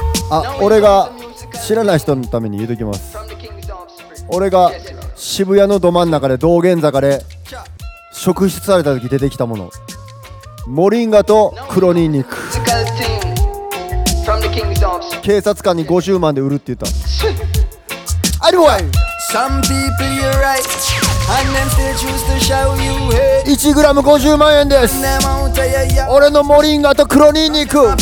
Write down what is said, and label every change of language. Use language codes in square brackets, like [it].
[ja] あ、俺が知らない人のために言うときます。俺が渋谷のど真ん中で道玄坂で職質されたとき出てきたもの。モリンガと黒ニンニク警察官に50万で売るって言った。 [en] Anyway! Some people you're right and them still choose to show you hate. [ja] 1グラム50万円です。俺のモリンガと黒ニンニク。